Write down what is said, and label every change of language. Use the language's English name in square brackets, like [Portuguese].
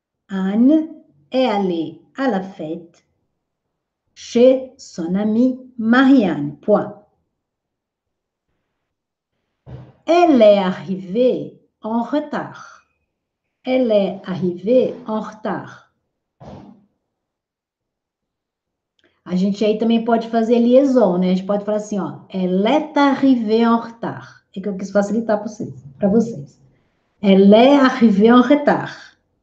[French] Anne est allée à la fête chez son amie Marianne. Point. Elle est arrivée en retard. Elle est arrivée en retard. [Portuguese] A gente aí também pode fazer liaison, né? A gente pode falar assim, ó. [French] Elle est arrivée en retard. [Portuguese] É que eu quis facilitar para vocês. [French] Elle est arrivée en retard.